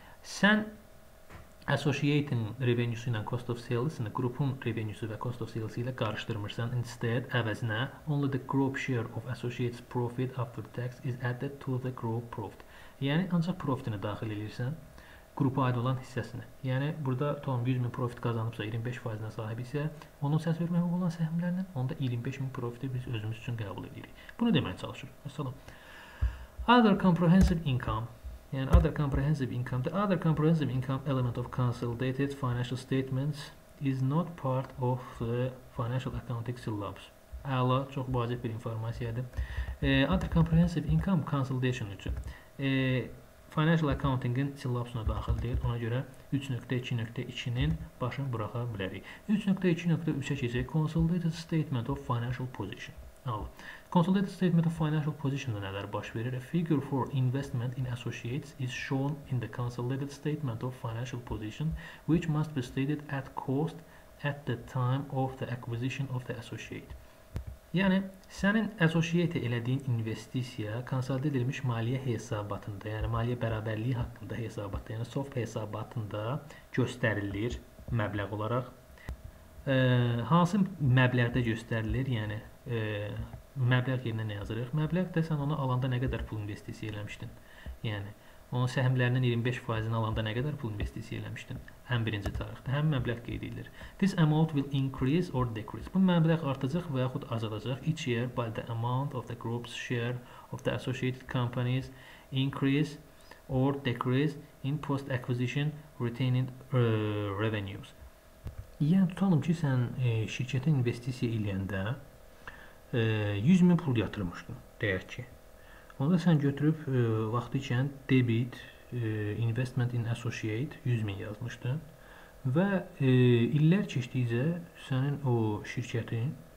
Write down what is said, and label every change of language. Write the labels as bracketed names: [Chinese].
[Azerbaijani] Sən associate-in revenue-su ilə cost of sales-ini qrupun revenue-su və cost of sales-i ilə qarışdırmırsan. [English] Instead, [Azerbaijani] əvəzinə, [English] only the group share of associate's profit after tax is added to the group profit. [Azerbaijani] Yəni, ancaq profitini daxil edirsən, qrupa aid olan hissəsini. Yəni, burada tam 100 min profit qazanıbsa, 25%-nə sahib isə, onun səs vermək olan səhmlərindən, onda 25 min profiti biz özümüz üçün qəbul edirik. Bunu deməyə çalışırıq. Məsələn, other comprehensive income. [English] Yəni, other comprehensive income. The other comprehensive income element of consolidated financial statements is not part of the financial accounting syllabus. [Azerbaijani] Əla, çox vacib bir informasiyadır. Other comprehensive income consolidation üçün. Financial accounting-in syllabusuna daxil deyil. Ona görə 3.2.2-nin başını buraxa bilərik. 3.2.3-ə keçək. [English] Consolidated statement of financial position. Alın. Consolidated statement of financial position-da [Azerbaijani] nələr baş verir? [English] A figure for investment in associates is shown in the consolidated statement of financial position, which must be stated at cost at the time of the acquisition of the associate. [Azerbaijani] Yəni, sənin associate elədiyin investisiya konsolidə edilmiş maliyyə hesabatında, yəni maliyyə bərabərliyi haqqında hesabatında, yəni SOF hesabatında göstərilir məbləğ olaraq. Hansı məbləğdə göstərilir? Yəni məbləğ yerinə nə yazırıq? Məbləğ də sən onu alanda nə qədər pul investisiya eləmişdin? Yəni onun səhmlərinin 25%-ni alanda nə qədər pul investisiya eləmişdin? Həm birinci tarixdə, həm məbləğ qeyd edilir. [English] This amount will increase or decrease. [Azerbaijani] Bu məbləğ artacaq və yaxud azalacaq. [English] Each year by the amount of the group's share of the associated companies increase or decrease in post-acquisition retained revenues. [Azerbaijani] Yəni, tutalım ki, sən şirkətə investisiya eləyəndə 100 min pul yatırmışdın, deyək ki. Onda sən götürüb vaxtı ikən debit, investment in associate 100 min yazmışdın və illər keçdikcə sənin o şirkətin